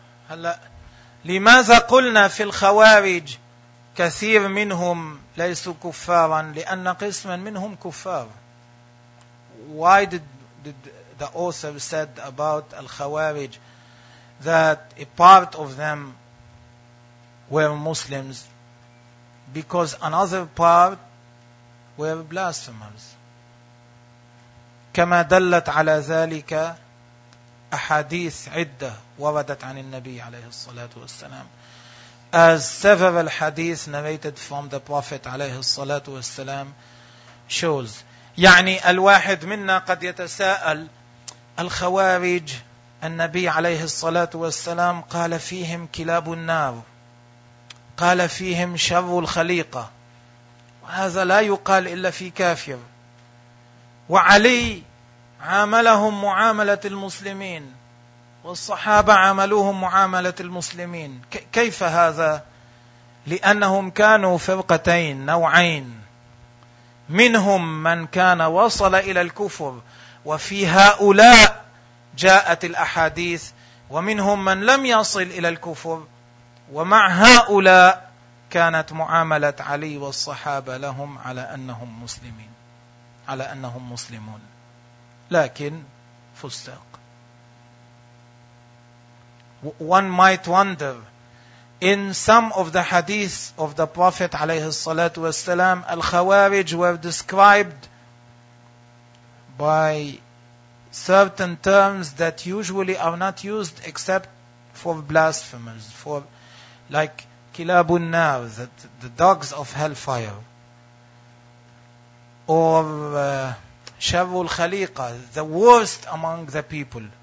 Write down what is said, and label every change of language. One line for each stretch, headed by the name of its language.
Arabic: هلا لماذا قلنا في الخوارج كثير منهم ليسوا كفارا؟ لأن قسما منهم كفار.
English: Why did the author said about الخوارج that a part of them were Muslims? Because another part were blasphemers.
Arabic: كما دلت على ذلك أحاديث عدة وردت عن النبي عليه الصلاة والسلام.
English: As several hadith narrated from the Prophet
Arabic: عليه الصلاة والسلام
English: shows.
Arabic: يعني الواحد منا قد يتساءل الخوارج النبي عليه الصلاة والسلام قال فيهم كلاب النار. قال فيهم شر الخليقة. وهذا لا يقال إلا في كافر. وعلي عاملهم معاملة المسلمين والصحابة عملوهم معاملة المسلمين. كيف هذا؟ لأنهم كانوا فرقتين نوعين، منهم من كان وصل إلى الكفر وفي هؤلاء جاءت الأحاديث، ومنهم من لم يصل إلى الكفر ومع هؤلاء كانت معاملة علي والصحابة لهم على أنهم مسلمين، على أنهم مسلمون، لكن فستق.
English: One might wonder, in some of the hadith of the Prophet
Arabic: عليه الصلاة والسلام,
English: Al-Khawarij were described by certain terms that usually are not used except for blasphemers, for like
Arabic: kilabun nar,
English: the dogs of hellfire, or
Arabic: sharrul khaliqa,
English: the worst among the people.